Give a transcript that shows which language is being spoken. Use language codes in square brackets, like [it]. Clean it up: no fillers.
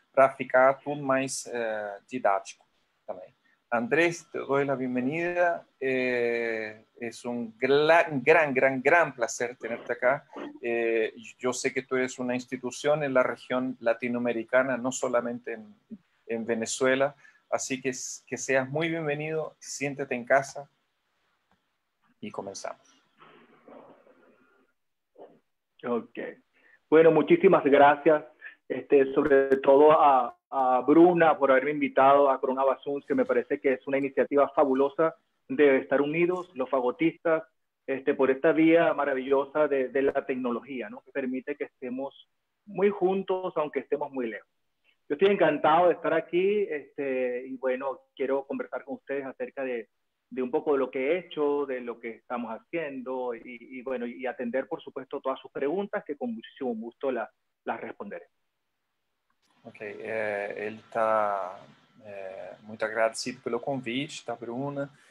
[pt] Para ficar tudo mais didático também. [es] Andrés, te doy la bienvenida. Es un gran placer tenerte acá. Yo sé que tú eres una institución en la región latinoamericana, no solamente en Venezuela. Así que seas muy bienvenido, siéntete en casa y comenzamos. Ok. Bueno, muchísimas gracias. Sobre todo a Bruna por haberme invitado a Corona Bassuns, que me parece que es una iniciativa fabulosa de estar unidos los fagotistas por esta vía maravillosa de la tecnología, ¿no? Que permite que estemos muy juntos, aunque estemos muy lejos. Yo estoy encantado de estar aquí, y bueno, quiero conversar con ustedes acerca de un poco de lo que he hecho, de lo que estamos haciendo, y bueno, y atender, por supuesto, todas sus preguntas, que con muchísimo gusto las responderé. [pt] Ok, ele está muito agradecido pelo convite da Bruna.